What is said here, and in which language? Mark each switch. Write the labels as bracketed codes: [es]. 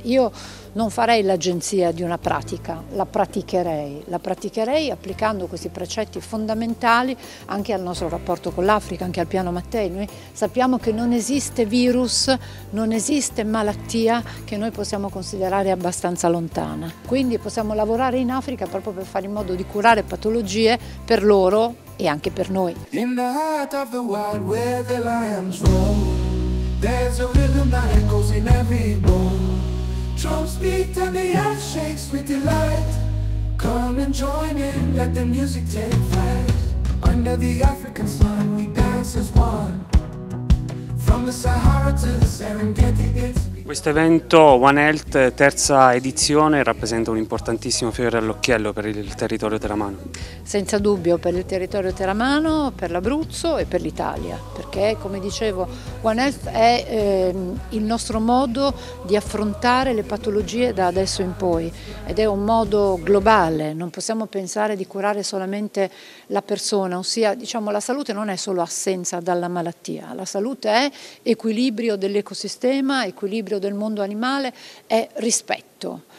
[it] Io non farei l'agenzia di una pratica, la praticherei applicando questi precetti fondamentali anche al nostro rapporto con l'Africa, anche al Piano Mattei. Noi sappiamo che non esiste virus, non esiste malattia che noi possiamo considerare abbastanza lontana. Quindi possiamo lavorare in Africa proprio per fare in modo di curare patologie per loro e anche per noi. [en] In the heart of the wild where the lions roam, there's a rhythm that echoes in every bone. Trumps beat and the earth shakes with delight. Come and join in, let the music take flight. Under the African sun we dance as one. From the Sahara to the Serengeti it's. [it] Questo evento One Health, terza edizione, rappresenta un importantissimo fiore all'occhiello per il territorio teramano. Senza dubbio per il territorio teramano, per l'Abruzzo e per l'Italia, perché come dicevo One Health è il nostro modo di affrontare le patologie da adesso in poi ed è un modo globale, non possiamo pensare di curare solamente la persona, ossia diciamo la salute non è solo assenza dalla malattia, la salute è equilibrio dell'ecosistema, equilibrio del mondo animale, è rispetto.